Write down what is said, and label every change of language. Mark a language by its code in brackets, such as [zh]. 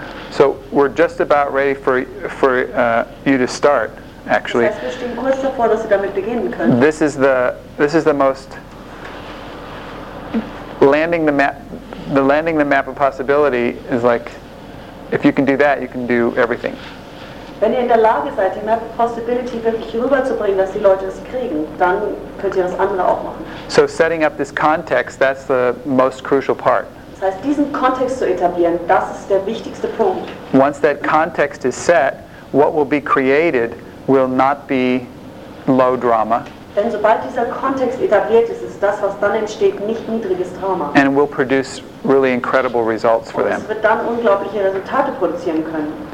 [en] So we're just about ready for you to start. Actually, this is the most landing the map of possibility is like, if you can do that, you can do everything. [de] Wenn ihr in der Lage seid, die Map of Possibility wirklich rüberzubringen, dass die Leute es kriegen, dann könnt ihr das andere auch machen. [en] So setting up this context, that's the most crucial part. [de] Das heißt, diesen Kontext zu etablieren, das ist der wichtigste Punkt. [en] Once that context is set, what will be created will not be low drama. [de] Denn sobald dieser Kontext etabliert ist, ist das, was dann entsteht, nicht niedriges Drama. [en] And will produce really incredible results for them. [de] Und es wird dann unglaubliche Resultate produzieren können.